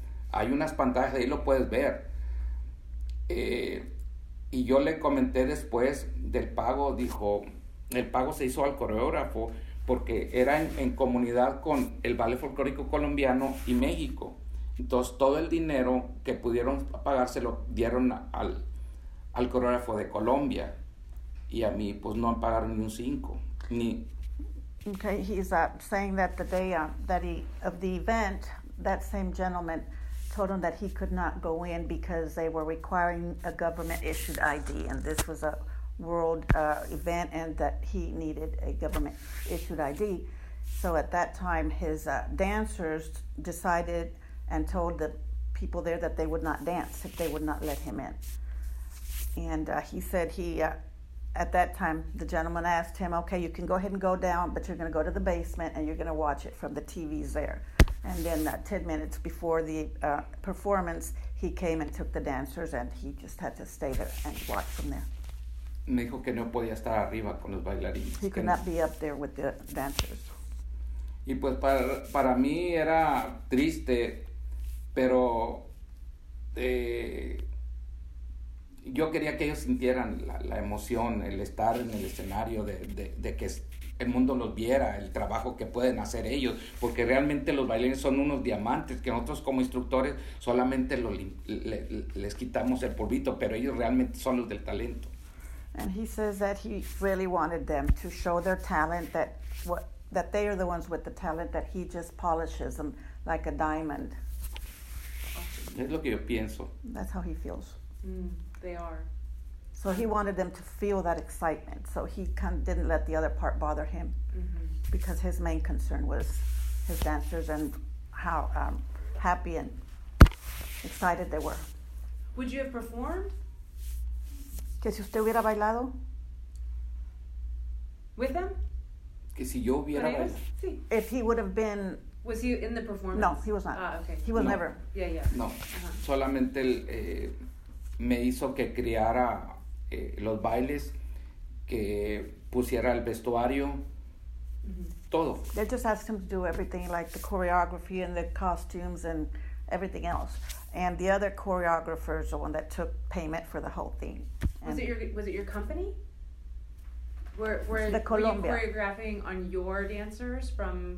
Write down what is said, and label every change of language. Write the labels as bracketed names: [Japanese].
[Spanish] Hay unas pantallas, ahí lo puedes ver. Y yo le comenté después del pago, dijo, el pago se hizo al coreógrafo, porque era en comunidad con el Ballet Folclórico Colombiano y México. Entonces, todo el dinero que pudieron pagar se lo dieron al coreógrafo de Colombia. Y a mí, pues, no han pagado ni un cinco. Ni. [English] Okay, he's saying that the day of the event, that same gentleman told him that he could not go in because they were requiring a government-issued ID, and this was a world event and that he needed a government issued ID. So at that time his dancers decided and told the people there that they would not dance if they would not let him in. And he said at that time the gentleman asked him, okay, you can go ahead and go down, but you're going to go to the basement and you're going to watch it from the TVs there. And then 10 minutes before the performance he came and took the dancers and he just had to stay there and watch from there. [Spanish] Me dijo que no podía estar arriba con los bailarines. [English] He could not be up there with the dancers. [Spanish] Y pues para mí era triste, pero yo quería que ellos sintieran la emoción, el estar en el escenario, de que el mundo los viera, el trabajo que pueden hacer ellos, porque realmente los bailarines son unos diamantes que nosotros como instructores solamente les quitamos el polvito, pero ellos realmente son los del talento. [English] And he says that he really wanted them to show their talent, that they are the ones with the talent, that he just polishes them like a diamond. [Spanish] Es lo que yo pienso. [English] That's how he feels. They are. So he wanted them to feel that excitement, so he didn't let the other part bother him, because his main concern was his dancers and how happy and excited they were. Would you have performed? [Spanish] Que si usted hubiera bailado. [English] With him? [Spanish] Que si yo hubiera bailado. Sí. [English] If he would have been. Was he in the performance? No, he was not. Ah, okay. He was never. Yeah, yeah. No. Uh-huh. [Spanish] Solamente me hizo que creara los bailes, que pusiera el vestuario, todo. [English] They just asked him to do everything, like the choreography and the costumes and everything else. And the other choreographer is the one that took payment for the whole thing. And was it your company? Were you choreographing on your dancers from?